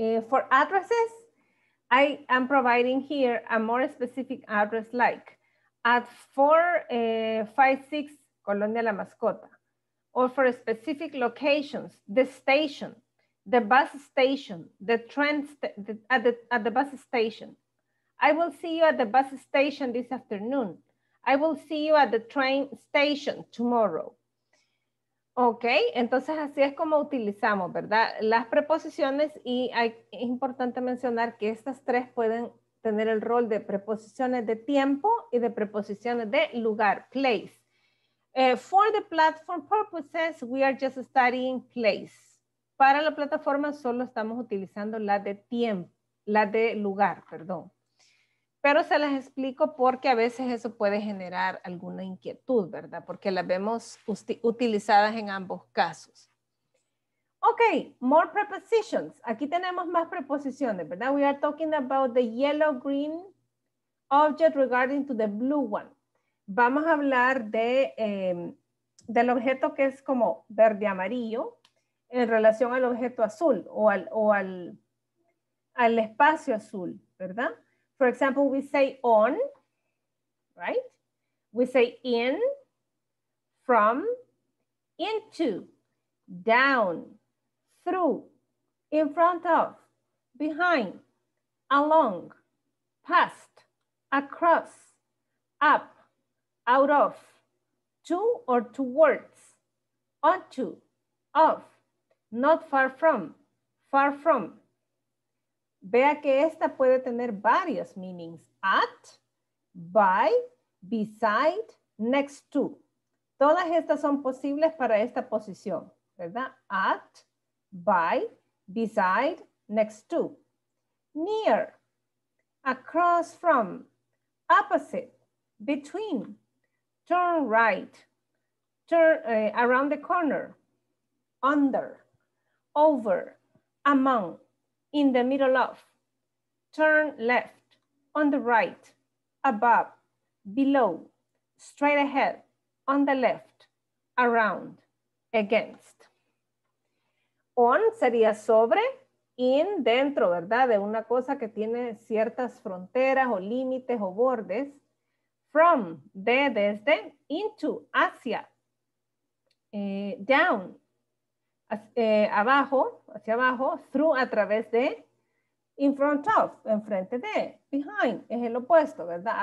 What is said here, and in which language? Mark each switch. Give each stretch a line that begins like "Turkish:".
English: For addresses, I am providing here a more specific address like at 456 Colonia La Mascota, or for specific locations, the station, the bus station, the train at the bus station. I will see you at the bus station this afternoon. I will see you at the train station tomorrow.
Spanish: Ok, entonces así es como utilizamos, ¿verdad? Las preposiciones, y hay, es importante mencionar que estas tres pueden tener el rol de preposiciones de tiempo y de preposiciones de lugar, place.
English: For the platform purposes, we are just studying place.
Spanish: Para la plataforma solo estamos utilizando la de tiempo, la de lugar, perdón. Pero se las explico porque a veces eso puede generar alguna inquietud, ¿verdad? Porque las vemos utilizadas en ambos casos.
English: Ok, more prepositions.
Spanish: Aquí tenemos más preposiciones, ¿verdad?
English: We are talking about the yellow-green object regarding to the blue one.
Spanish: Vamos a hablar de, del objeto que es como verde-amarillo en relación al objeto azul o al espacio azul, ¿verdad?
English: For example, we say on, right? We say in, from, into, down, through, in front of, behind, along, past, across, up, out of, to or towards, onto, off, not far from, far from.
Spanish: Vea que esta puede tener varios meanings.
English: At, by, beside, next to.
Spanish: Todas estas son posibles para esta posición, ¿verdad?
English: At, by, beside, next to. Near, across from, opposite, between, turn right, turn around the corner, under, over, among, in the middle of, turn left, on the right, above, below, straight ahead, on the left, around, against.
Spanish: On sería sobre, in, dentro, ¿verdad? De una cosa que tiene ciertas fronteras o límites o bordes. From, de, desde, into, hacia, down, abajo, hacia abajo, through, a través de,
English: in front of,
Spanish: enfrente de, behind, es el opuesto, ¿verdad?